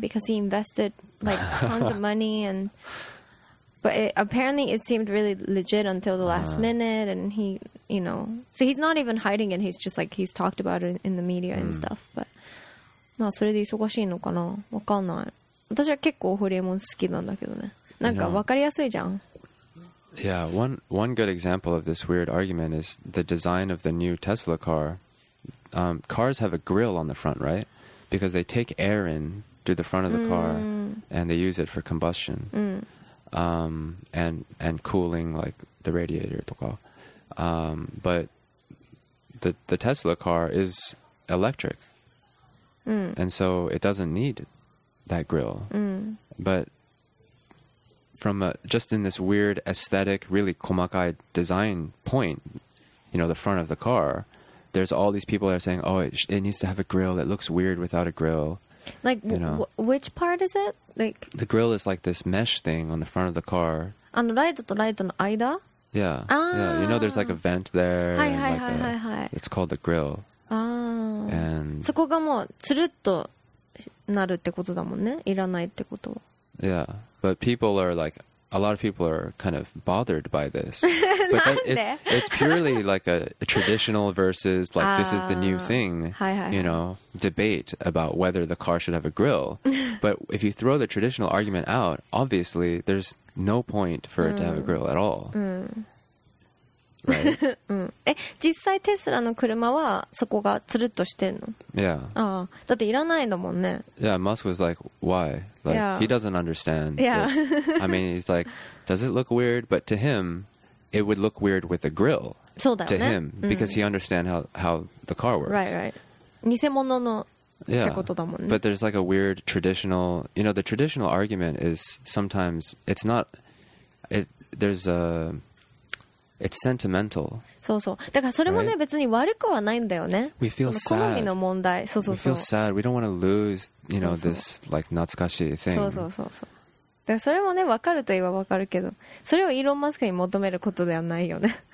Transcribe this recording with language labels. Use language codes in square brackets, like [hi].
[en] Because he invested like tons of money and but apparently it seemed really legit until the last minute, and he, you know, so he's not even hiding it. He's just like, he's talked about it in the media and stuff. [ja] But, まあそれで忙しいのかな、わかんない。私は結構ホリエモン好きなんだけどね。なんかわかりやすいじゃん。 [en] Yeah, one good example of this weird argument is the design of the new Tesla car. Cars have a grill on the front, right? Because they take air in through the front of the car and they use it for combustion. And cooling like the radiator とか but the Tesla car is electric and so it doesn't need that grill but from just in this weird aesthetic really komakai design point, you know, the front of the car, there's all these people that are saying, oh, it needs to have a grill, it looks weird without a grill. Like, you know, which part is it? Like, the grill is like this mesh thing on the front of the car. [ja] あのライトとライトの間? [en] Yeah. Ah. Yeah. You know, there's like a vent there. Hi, hi, hi, hi, hi. It's called the grill. Ah. And [ja] そこがもうつるっとなるってことだもんね。いらないってことは。 [en] Yeah. But people are like, a lot of people are kind of bothered by this. [ja] But なんで? [en] It's purely like a traditional versus like, this is the new thing, you know, debate about whether the car should have a grill. But if you throw the traditional argument out, obviously there's no point for it to have a grill at all. Right? [ja] 実際テスラの車はそこがつるっとしてんの? [en] Yeah. [ja] だっていらないんだもんね。 [en] Yeah, Musk was like, why? Like, yeah. He doesn't understand. Yeah. The, I mean, he's like, does it look weird? But to him, it would look weird with a grill. [ja] そうだよね。 [en] To him, because he understands how the car works. Right, right. [ja] 偽物のってことだもんね。 [en] But there's like a weird traditional, you know, the traditional argument is sometimes, it's not, it, there's a... It's sentimental. [ja] そうそう。だからそれもね、 [en] right? [ja] 別に悪くはないんだよね。 [en] We feel [ja] その好みの問題。そうそうそう。 [en] We feel sad. We don't want to lose, you know, this like 懐かしい thing. [ja] そうそうそうそう。だからそれもね、分かると言えば分かるけど、それをイーロン・マスクに求めることではないよね。